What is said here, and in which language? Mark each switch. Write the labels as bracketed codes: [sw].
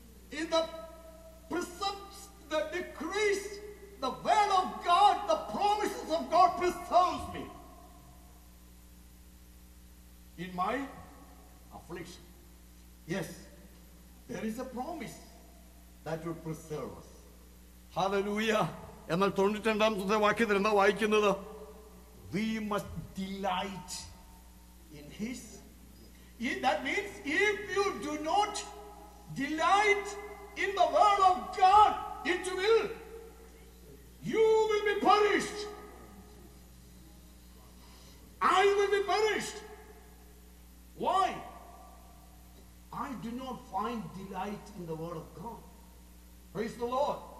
[en] In the precepts, the decrees, the will of God, the promises of God preserves me. In my affliction. Yes. There is a promise that will preserve us. Hallelujah. [ml] എന്നാൽ 92-ാം വാക്യത്തിൽ എന്താ വായിക്കുന്നത് [en] We must delight in his that means if you do not delight in the word of God it will you will be perished I will be perished why I do not find delight in the word of God praise the Lord